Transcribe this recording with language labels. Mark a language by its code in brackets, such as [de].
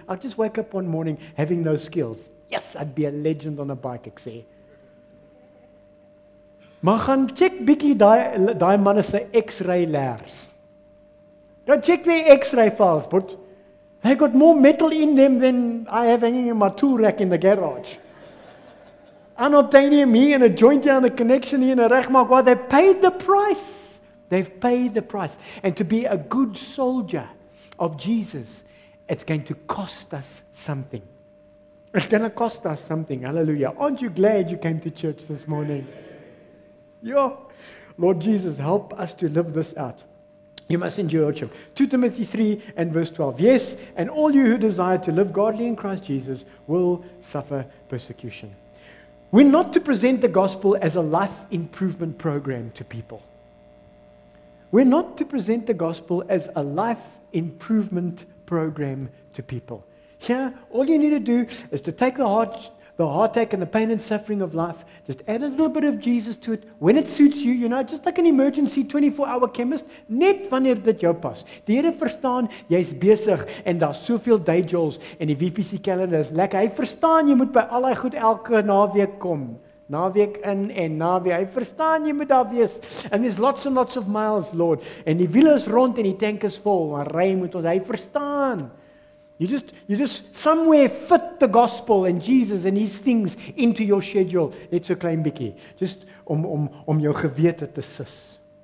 [en] I'd just wake up one morning having those skills. Yes, I'd be a legend on a bike, [af] ek sê. Maar gaan check bikkie die manne se X-ray lairs. [en] Now check their X-ray files, but they got more metal in them than I have hanging in my tool rack in the garage. [af] unobtainium hier en 'n joint hier en 'n connection hier en 'n regmaak waar [en] they paid the price. They've paid the price. And to be a good soldier of Jesus, it's going to cost us something. It's going to cost us something. Hallelujah. Aren't you glad you came to church this morning? Yo, Lord Jesus, help us to live this out. You must endure hardship. 2 Timothy 3 and verse 12. Yes, and all you who desire to live godly in Christ Jesus will suffer persecution. We're not to present the gospel as a life improvement program to people. We're not to present the gospel as a life improvement program to people. Here, all you need to do is to take the heartache and the pain and suffering of life, just add a little bit of Jesus to it when it suits you, you know, just like an emergency 24-hour chemist, [af] net wanneer dit jou pas. Die Here verstaan, jy's besig en daar's soveel day jobs en die VPC calendar is lekker. Hy verstaan, jy moet by al daai goed elke naweek kom. Naweek in en naweek. Hy verstaan, jy moet daar wees. [en] And there's lots and lots of miles, Lord. [af] En die wiele is rond en die tank is vol. Maar ry moet ons. Hy verstaan. [en] You just somewhere fit the gospel and Jesus and his things into your schedule. [af] Net so klein bietjie. Just om jou gewete te sus.